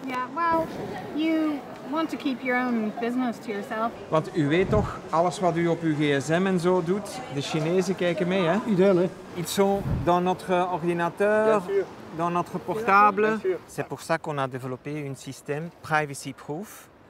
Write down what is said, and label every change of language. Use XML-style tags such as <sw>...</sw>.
<en>Yeah, well, you want to keep your own business to yourself.</en> <nl>Want u weet toch, alles wat u op uw gsm en zo doet, de Chinezen kijken mee, hè? Ideal, hè?</nl> <fr>Ils sont dans notre ordinateur, dans notre portable. C'est pour ça qu'on a développé un système privacy-proof.</fr>